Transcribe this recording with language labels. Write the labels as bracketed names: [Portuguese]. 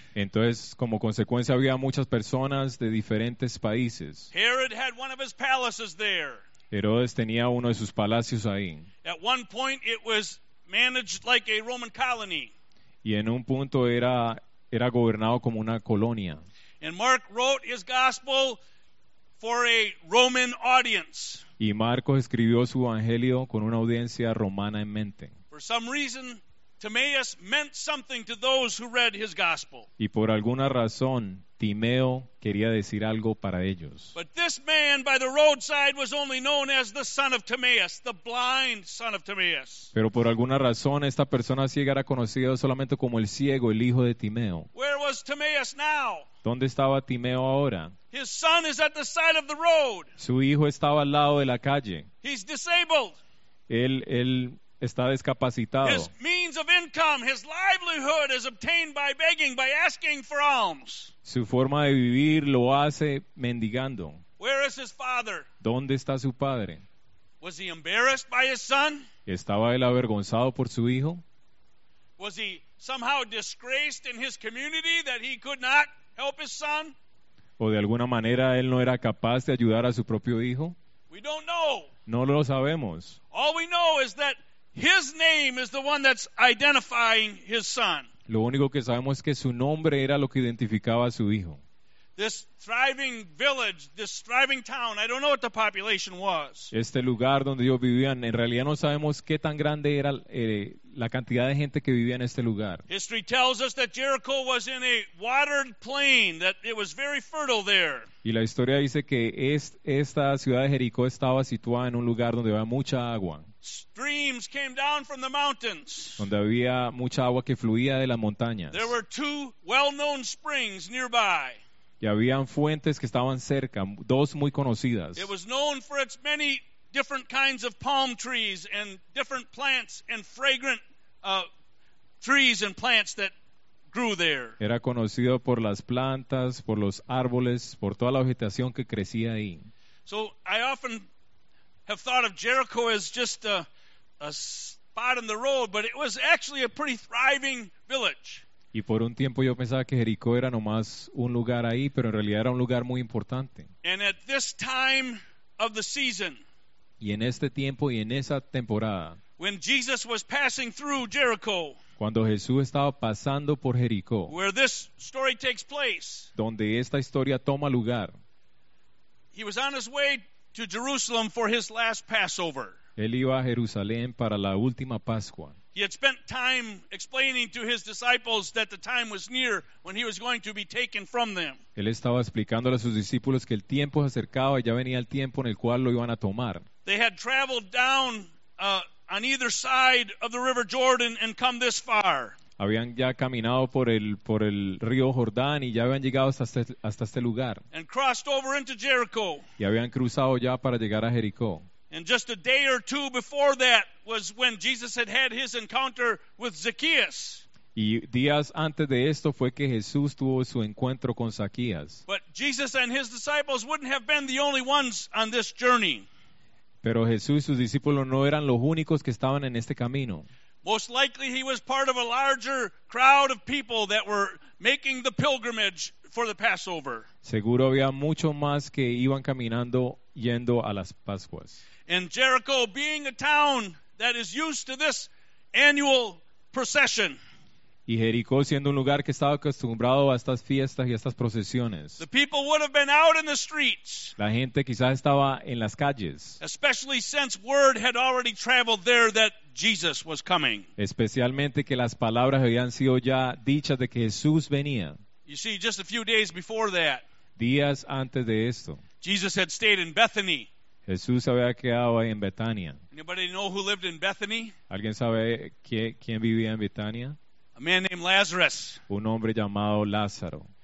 [Spanish] Entonces, como consecuencia, había muchas personas de diferentes países. [English] Herod had one of his palaces there. [Spanish] Herodes tenía uno de sus palacios ahí. [English] At one point, it was managed like a Roman colony. [Spanish] Y en un punto era gobernado como una colonia. [English] And Mark wrote his gospel for a Roman audience. [Spanish] Y Marcos escribió su evangelio con una audiencia romana en mente. [English] For some reason, Timaeus meant something to those who read his gospel. [Spanish] Y por alguna razón, Timeo quería decir algo para ellos. [English] But this man by the roadside was only known as the son of Timaeus, the blind son of Timaeus. [Spanish] Pero por alguna razón, esta persona ciega era conocida solamente como el ciego, el hijo de Timeo. [English] Where was Timaeus now? [Spanish] ¿Dónde estaba Timeo ahora? [English] His son is at the side of the road. [Spanish] Su hijo estaba al lado de la calle. [English] He's disabled. [Spanish] Él está discapacitado. [English] His means of income, his livelihood is obtained by begging, by asking for alms. [Spanish] Su forma de vivir lo hace mendigando. [English] Where is his father? [Spanish] ¿Dónde está su padre? [English] Was he embarrassed by his son? [Spanish] ¿Estaba él avergonzado por su hijo? [English] Was he somehow disgraced in his community that he could not help his son? [Spanish] ¿O de alguna manera él no era capaz de ayudar a su propio hijo? [English] We don't know. [Spanish] No lo sabemos. [English] All we know is that his name is the one that's identifying his son. [Spanish] Lo único que sabemos es que su nombre era lo que identificaba a su hijo. [English] This thriving village, this thriving town, I don't know what the population was. [Spanish] Este lugar donde ellos vivían, en realidad no sabemos qué tan grande era la cantidad de gente que vivía en este lugar. [English] History tells us that Jericho was in a watered plain, that it was very fertile there. [Spanish] Y la historia dice que esta ciudad de Jericó estaba situada en un lugar donde había mucha agua. [English] Streams came down from the mountains. [Spanish] Donde había mucha agua que fluía de las montañas. [English] There were two well-known springs nearby. [Spanish] Y habían fuentes que estaban cerca, dos muy conocidas. [English] It was known for its many different kinds of palm trees and different plants and fragrant trees and plants that grew there. [Spanish] Era conocido por las plantas, por los árboles, por toda la vegetación que crecía ahí. [English] So I often have thought of Jericho as just a spot in the road, but it was actually a pretty thriving village. [Spanish] Y por un tiempo yo pensaba que Jericó era nomás un lugar ahí, pero en realidad era un lugar muy importante. [English] And at this time of the season, [Spanish] y en este tiempo y en esa temporada, [English] when Jesus was passing through Jericho, [Spanish] cuando Jesús estaba pasando por Jericó, [English] where this story takes place, [Spanish] donde esta historia toma lugar, [English] he was on his way to Jerusalem for his last Passover. [Spanish] Él iba a Jerusalén para la última Pascua. [English] He had spent time explaining to his disciples that the time was near when he was going to be taken from them. [Spanish] Él estaba explicándole a sus discípulos que el tiempo se acercaba y ya venía el tiempo en el cual lo iban a tomar. [English] They had traveled down on either side of the River Jordan and come this far. [Spanish] Habían ya caminado por el río Jordán y ya habían llegado hasta este lugar. [English] And crossed over into Jericho. [Spanish] Y habían cruzado ya para llegar a Jericó. [English] And just a day or two before that was when Jesus had had his encounter with Zacchaeus. [Spanish] Y días antes de esto fue que Jesús tuvo su encuentro con Zacchaeus. [English] But Jesus and his disciples wouldn't have been the only ones on this journey. [Spanish] Pero Jesús y sus discípulos no eran los únicos que estaban en este camino. [English] Most likely he was part of a larger crowd of people that were making the pilgrimage for the Passover. [Spanish] Seguro había mucho más que iban caminando yendo a las Pascuas. [English] And Jericho being a town that is used to this annual procession. [Spanish] Y Jericó siendo un lugar que estaba acostumbrado a estas fiestas y a estas procesiones. [English] The people would have been out in the streets. [Spanish] La gente quizás estaba en las calles. [English] Especially since word had already traveled there that Jesus was coming. [Spanish] Especialmente que las palabras habían sido ya dichas de que Jesús venía. [English] You see, just a few days before that. [Spanish] Días antes de esto. [English] Jesus had stayed in Bethany. [Spanish] Jesús había quedado ahí en Betania. [English] Anybody know who lived in Bethany? [Spanish] ¿Alguien sabe quién vivía en Betania? [English] A man named Lazarus, [Spanish] un hombre llamado Lázaro,